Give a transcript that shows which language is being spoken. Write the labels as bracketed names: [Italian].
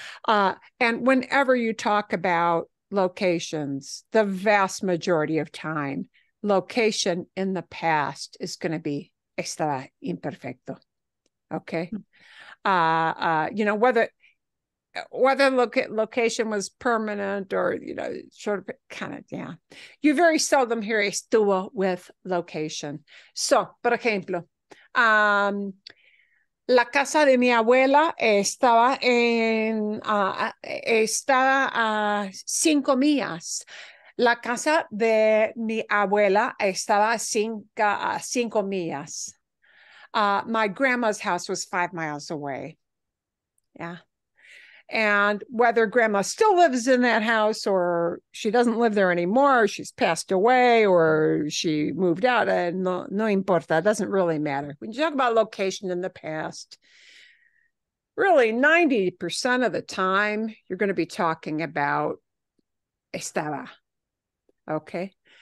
[English] And whenever you talk about locations, the vast majority of time, location in the past is going to be estaba imperfecto. Okay. You know, whether location was permanent or, you know, sort of kind of, yeah. You very seldom hear estuvo with location. [Spanish] So, por ejemplo, la casa de mi abuela estaba en, estaba a 5 millas. La casa de mi abuela estaba a 5 millas. [English] My grandma's house was 5 miles away. Yeah. And whether grandma still lives in that house or she doesn't live there anymore, she's passed away or she moved out, no importa, it doesn't really matter. When you talk about location in the past, really 90% of the time, you're going to be talking about estaba, okay?